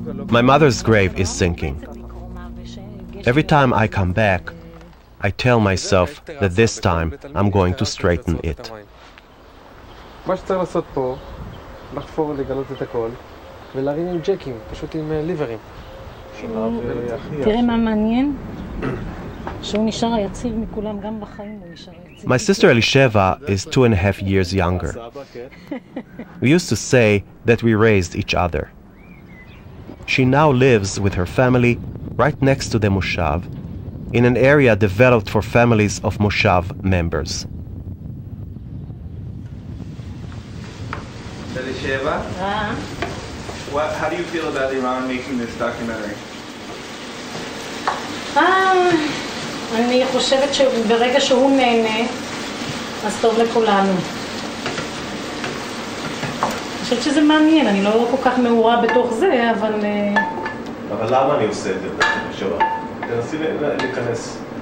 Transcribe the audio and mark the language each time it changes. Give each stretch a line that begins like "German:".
English: My mother's grave is sinking. Every time I come back, I tell myself that this time I'm going to straighten it.
Hebrew: מה שצריך לעשות פה, לחפור לגלות את הכל, ולהרים עם ג'קים, פשוט עם ליברים. תראה מה מעניין, שהוא נשאר היציב מכולם, גם בחיים הוא נשאר היציב.
English: My sister Elisheva is 2.5 years younger. We used to say that we raised each other. She now lives with her family right next to the moshav, in an area developed for families of moshav members. Elisheva? How do you feel about Iran making this documentary?
Hebrew: אני חושבת שברגע שהוא נהנה, אז טוב לכולנו. אני חושבת שזה מעניין, אני לא כל כך מעורה בתוך זה, אבל... אבל למה אני עושה את זה, שבא? תנסי להיכנס.